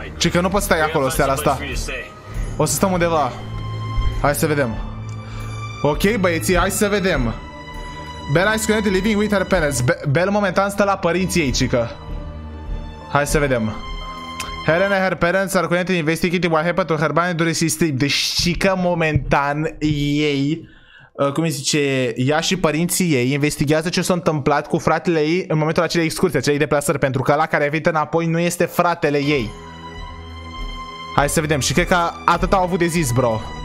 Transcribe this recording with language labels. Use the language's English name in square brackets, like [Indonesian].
[Romanian] Ce că nu poți stai acolo seara asta. O să stăm undeva. Hai să vedem. Ok, băieții, hai să vedem. [English] Bella is currently living with her parents. [Romanian] Bella momentan stă la părinții ei, cică. Hai să vedem. [English] Helen and her parents are currently investigating what happened to her band during his trip. [Romanian] Deci, cică, momentan, ei, cum îi zice, ea și părinții ei investigează ce s-a întâmplat cu fratele ei în momentul acelei excursii, acelei deplasări, pentru că ăla care a venit înapoi nu este fratele ei. Hai să vedem. Și cred că atât au avut de zis, bro.